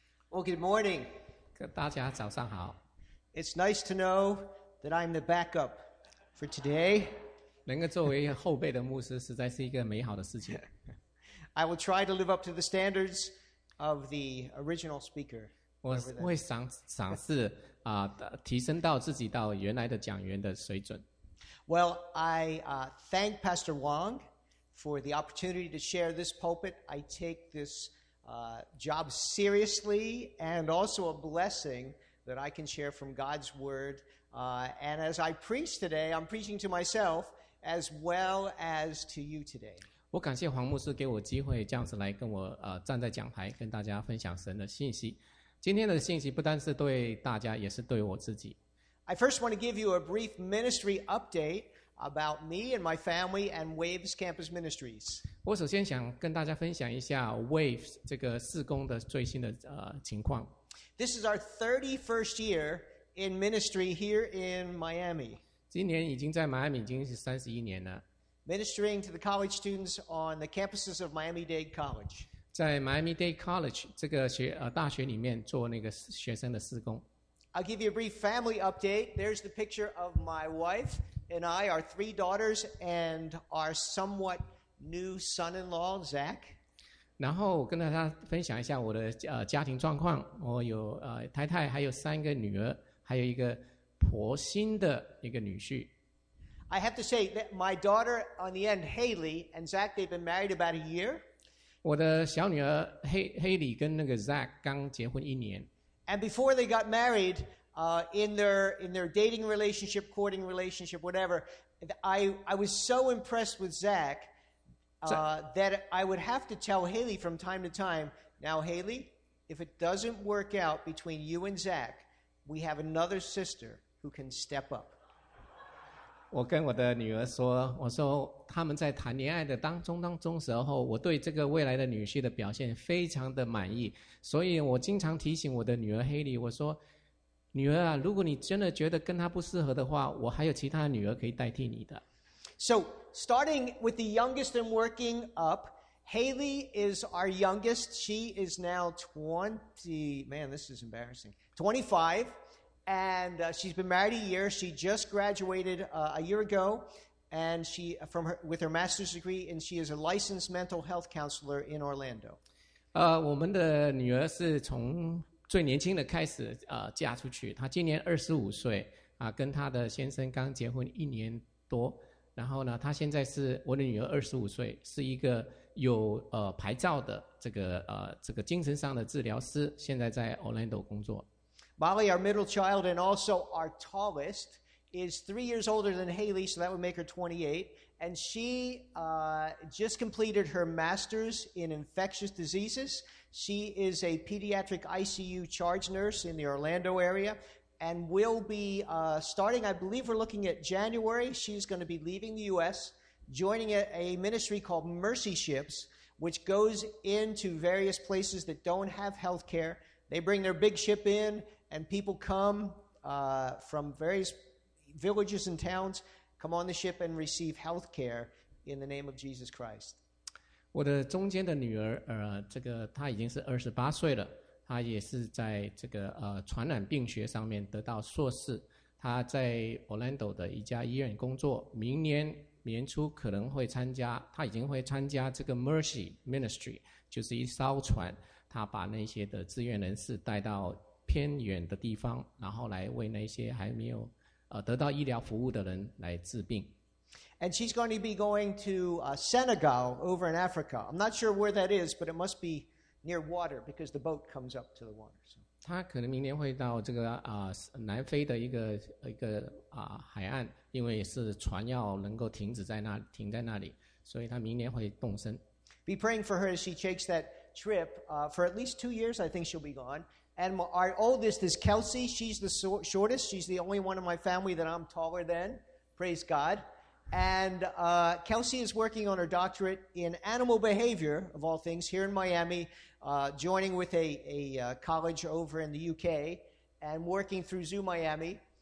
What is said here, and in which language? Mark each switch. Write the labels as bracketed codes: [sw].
[en] Well, good morning. [zh] 大家早上好。 [en] It's nice to know that I'm the backup for today. [zh] 能够作为后辈的牧师实在是一个美好的事情。 [en] I will try to live up to the standards of the original speaker. [zh] 我会尝试提升到自己到原来的讲员的水准。 [en] Well, I thank Pastor Wong for the opportunity to share this pulpit. I take thisjob seriously, and also a blessing that I can share from God's word. And as I preach today, I'm preaching to myself as well as to you today. [zh] 我感谢黄牧师给我机会这样子来跟我站在讲台跟大家分享神的信息。今天的信息不单是对大家，也是对我自己。 [en] I first want to give you a brief ministry update about me and my family and Waves Campus Ministries. [zh] 我首先想跟大家分享一下 WAVE 这个事工的最新的情况。 [en] This is our 31st year in ministry here in Miami. [zh] 今年已经在迈阿密已经是31年了。 [en] Ministering to the college students on the campuses of Miami-Dade College. [zh] 在 Miami-Dade College 这个大学里面做那个学生的事工。 [en] I'll give you a brief family update. There's the picture of my wife and I, our three daughters, and our somewhat... New son-in-law, Zach. [zh] 然后跟大家分享一下我的家庭状况。我有太太，还有三个女儿，还有一个婆新的一个女婿。 [en] I have to say that my daughter on the end, Haley and Zach, they've been married about a year. [zh] 我的小女儿 Haley 跟那个 Zach 刚结婚一年。 [en] And before they got married, in their dating relationship, courting relationship, whatever, I was so impressed with Zach. That I would have to tell Haley from time to time, now Haley, if it doesn't work out between you and Zach, we have another sister who can step up. [zh] 我跟我的女儿说，我说他们在谈恋爱的当中时候，我对这个未来的女婿的表现非常的满意，所以我经常提醒我的女儿 Haley， 我说女儿啊，如果你真的觉得跟他不适合的话，我还有其他女儿可以代替你的。 [en] So, starting with the youngest and working up, Haley is our youngest. She is now 20, man, this is embarrassing, 25, and she's been married a year. She just graduated a year ago, and she, from her, with her master's degree, and she is a licensed mental health counselor in Orlando. [zh] 我们的女儿是从最年轻的开始嫁出去，她今年25岁啊，跟她的先生刚结婚一年多，然后呢，她现在是我的女儿25岁，是一个有牌照的这个精神上的治疗师，现在在 Orlando 工作。 [en] Molly, our middle child and also our tallest, is 3 years older than Haley, so that would make her 28, and she just completed her master's in infectious diseases. She is a pediatric ICU charge nurse in the Orlando area and will be starting, I believe we're looking at January, she's going to be leaving the U.S., joining a ministry called Mercy Ships, which goes into various places that don't have health care. They bring their big ship in and people come from various villages and towns, come on the ship and receive health care in the name of Jesus Christ. [zh] 我的中间的女儿这个她已经是28岁了，她也是在这个传染病学上面得到硕士，她在 Orlando 的一家医院工作，明年年初可能会参加，她已经会参加这个 Mercy Ministry, 就是一艘船，她把那些的志愿人士带到偏远的地方，然后来为那些还没有得到医疗服务的人来治病。 [en] And she's going to be going to Senegal over in Africa. I'm not sure where that is, but it must be near water because the boat comes up to the water. [zh] 她可能明年会到这个南非的一个海岸，因为是船要能够停在那里，所以她明年会动身。 [en] Be praying for her as she takes that trip. For at least 2 years, I think she'll be gone. And our oldest is Kelsey. She's the shortest. She's the only one in my family that I'm taller than. Praise God. And Kelsey is working on her doctorate in animal behavior, of all things, here in Miami, joining with a college over in the UK, and working through Zoo Miami.